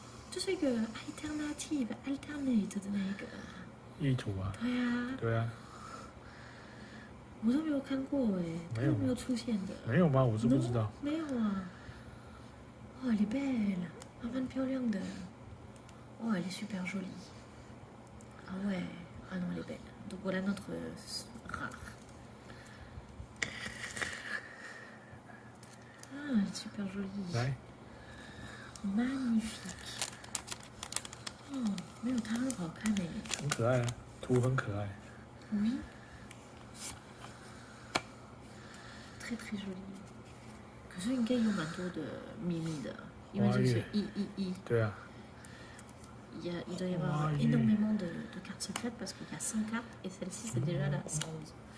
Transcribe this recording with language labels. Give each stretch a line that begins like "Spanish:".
Chinese: 这是一个 alternate 的那一个。意图啊！对啊，对啊，我都没有看过哎、欸，都没有出现的，没有吗？我是不知道，
English: no?
Chinese: 没有啊。哇，你
French: belle，
Chinese: 还蛮漂亮的。哇，你
French: super jolie。
Chinese: 啊喂，啊
French: non，
Chinese: 你
French: belle。 Donc voilà notre rare。
Chinese: 啊
French: ，super jolie。
Chinese: 来。
French: Magnifique。
Chinese: 哦，没有它好看哎、欸。很可爱、啊。图很可爱。
French: Oui. Très très joli.
Chinese: 可是应该有蛮多的秘密的，因为这是一。对啊。
French: Il doit y avoir énormément de cartes secrètes parce qu'il y a 5 cartes et celle-ci c'est déjà la 111.